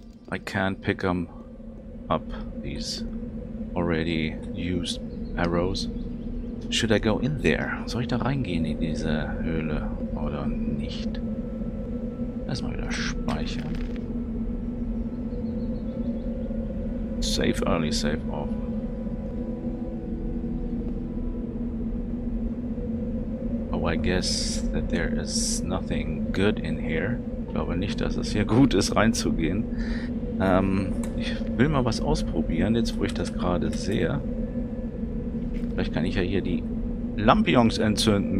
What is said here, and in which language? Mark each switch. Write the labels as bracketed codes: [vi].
[en] I can't pick them up, these already used arrows. Should I go in there? [de] Soll ich da reingehen in diese Höhle oder nicht? Erstmal wieder speichern. [en] Save early, save often. Oh, I guess that there is nothing good in here. [de] Ich glaube nicht, dass es hier gut ist, reinzugehen. Ich will mal was ausprobieren, jetzt wo ich das gerade sehe. Vielleicht kann ich ja hier die Lampions entzünden.